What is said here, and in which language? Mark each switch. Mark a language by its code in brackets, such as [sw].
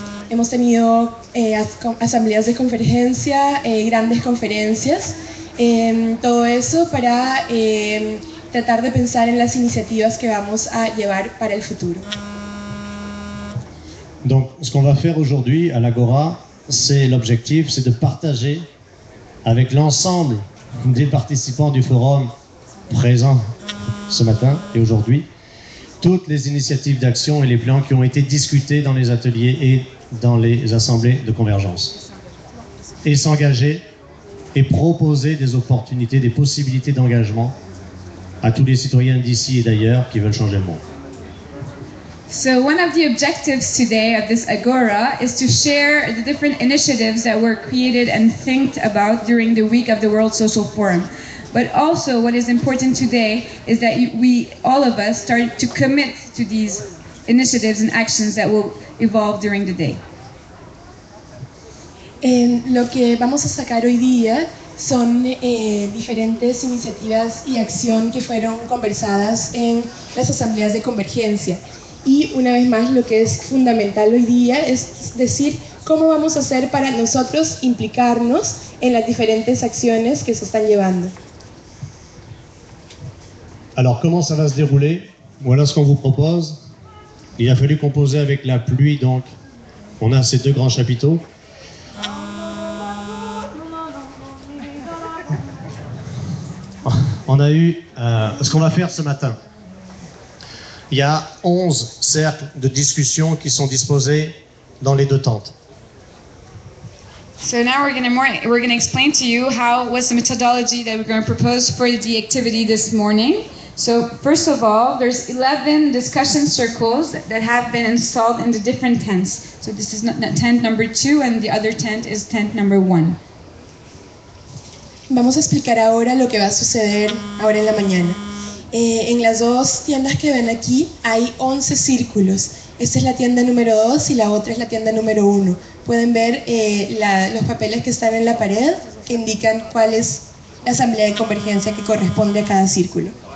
[es] Hemos tenido asambleas de convergencia, grandes conferencias, todo eso para tratar de pensar en las iniciativas que vamos a llevar para el futuro. [fr] Donc, ce qu'on va faire aujourd'hui à l'Agora, c'est l'objectif, c'est de partager avec l'ensemble des participants du forum présents ce matin et aujourd'hui toutes les initiatives d'action et les plans qui ont été discutés dans les ateliers et dans les assemblées de convergence et s'engager et proposer des opportunités, des possibilités d'engagement à tous les citoyens d'ici et d'ailleurs qui veulent changer le monde. [en] So one of the objectives today of this Agora is to share the different initiatives that were created and thought about during the week of the World Social Forum. But also what is important today is that we, all of us, started to commit to these initiatives and actions that will evolve during the day. [es] En lo que vamos a sacar hoy día son diferentes iniciativas y acción que fueron conversadas en las asambleas de convergencia. Y una vez más, lo que es fundamental hoy día es decir cómo vamos a hacer para nosotros implicarnos en las diferentes acciones que se están llevando. [fr] Alors, comment ça va se dérouler? Voilà ce qu'on vous propose. Il a fallu composer avec la pluie, donc on a ces deux grands chapiteaux. On a eu ce qu'on va faire ce matin. Il y a 11 cercles de discussion qui sont disposés dans les deux tentes. [en] So now we're going to explain to you what's the methodology that we're going to propose for the activity this morning. So first of all, there's 11 discussion circles that have been installed in the different tents. So this is tent number 2 and the other tent is tent number 1. [es] Vamos a explicar ahora lo que va a suceder ahora en la mañana. En las dos tiendas que ven aquí hay 11 círculos. Esta es la tienda número 2 y la otra es la tienda número 1. Pueden ver los papeles que están en la pared que indican cuál es la asamblea de convergencia que corresponde a cada círculo.